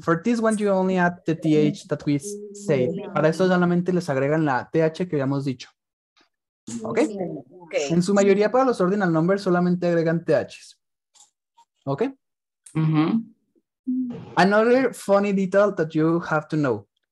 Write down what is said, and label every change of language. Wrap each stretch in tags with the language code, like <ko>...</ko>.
<en>For this one, you only add the TH that we say.</en> <es>Para eso solamente les agregan la TH que habíamos dicho.</es> <en>Okay? Okay.</en> <es>En su mayoría para los</es> <en>ordinal numbers</en> <es>solamente agregan THs.</es> <en>Okay? Mm-hmm. Another funny detail that you have to know.</en>